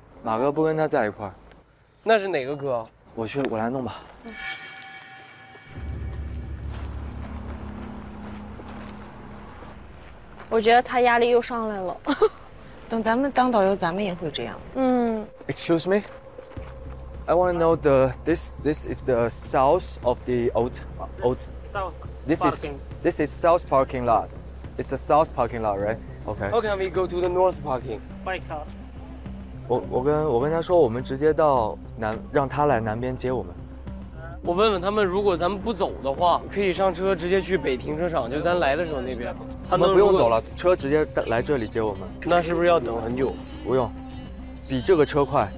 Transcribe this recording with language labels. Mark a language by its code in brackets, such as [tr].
[zh] 马哥不跟他在一块儿。那是哪个哥？我来弄吧。嗯，我觉得他压力又上来了。等咱们当导游，咱们也会这样。 [en] Excuse me, I want to know this is the south of the old. This is south parking lot. It's the south parking lot, right? Okay. How can we go to the north parking? By car. [zh] 我跟他说，我们直接到南，让他来南边接我们。我问问他们，如果咱们不走的话，可以上车直接去北停车场，就咱来的时候那边。他们不用走了，车直接来这里接我们。那是不是要等很久？不用，比这个车快，